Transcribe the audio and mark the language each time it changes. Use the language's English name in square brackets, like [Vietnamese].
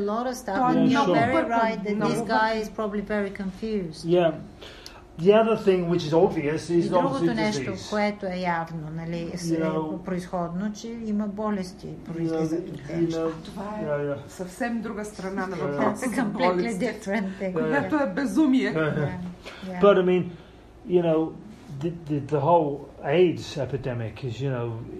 [English] много very right that this guy is probably very confused. Yeah. The other thing which is obvious is [Bulgarian] и другото нещо, disease. Което е явно, нали, произходно, че има болести, произлизат от тези. Това е съвсем друга страна на въпроса. [English] Completely different thing. [Bulgarian] Което е безумие. [English] But I mean, you know, the whole AIDS epidemic is, you know,